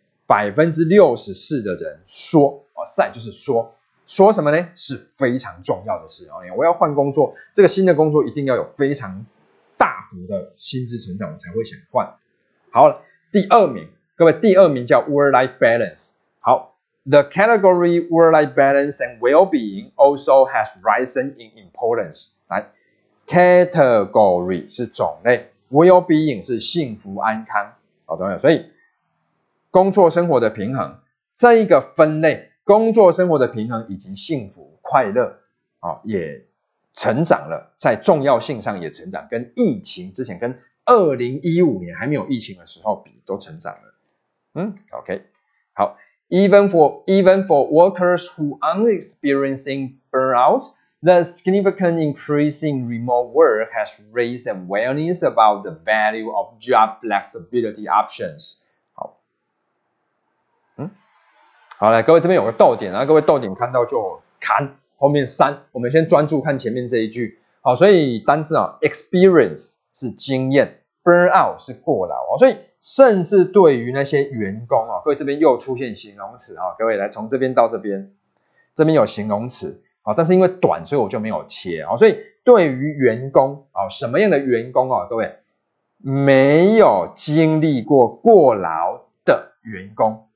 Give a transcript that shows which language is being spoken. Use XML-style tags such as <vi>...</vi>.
<zh>64%的人说哦 ，side 就是说什么呢？是非常重要的事哦，我要换工作，这个新的工作一定要有非常大幅的薪资成长，我才会想换。好，第二名，各位，第二名叫 work-life balance。</zh> <en>好， the category work-life balance and well-being also has risen in importance。</en> <zh>来， category 是种类， well-being 是幸福安康，好，懂没有？所以工作生活的平衡这一个分类，工作生活的平衡以及幸福快乐，也成长了，在重要性上也成长，跟疫情之前，跟2015年还没有疫情的时候比，都成长了。</zh> <en>OK， 好， even for workers who aren't experiencing burnout, the significant increase in remote work has raised awareness about the value of job flexibility options。</en> <zh>好，来，各位这边有个逗点，然后各位逗点看到就砍后面删，我们先专注看前面这一句。好，所以单字啊 ，experience 是经验 ，burn out 是过劳啊，所以甚至对于那些员工啊，各位这边又出现形容词啊，各位来从这边到这边，这边有形容词啊，但是因为短，所以我就没有切啊，所以对于员工啊，什么样的员工啊，各位没有经历过过劳的员工。</zh>